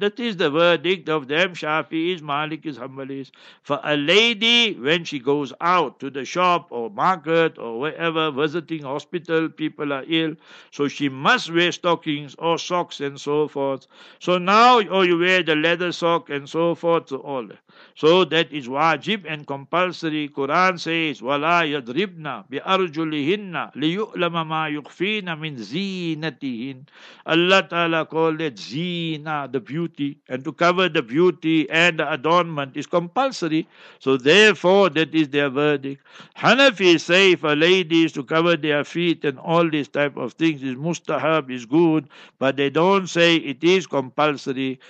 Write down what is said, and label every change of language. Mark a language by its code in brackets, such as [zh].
[en] That is the verdict of them, Shafi'is, Malikis, Hanbalis. For a lady, when she goes out to the shop or market or wherever, visiting hospital, people are ill. So she must wear stockings or socks and so forth. So now, oh, you wear the leather sock and so forth, all. So that is wajib and compulsory. Quran says, [ar] وَلَا يَدْرِبْنَا بِأَرْجُلِهِنَّ لِيُؤْلَمَ مَا يُخْفِينَ مِنْ زِينَتِهِنَّ. [en] Allah Ta'ala called it zina, the beauty. And to cover the beauty and the adornment is compulsory. So therefore, that is their verdict. Hanafis say for ladies to cover their feet and all these type of things is mustahab, is good, but they don't say it is compulsory.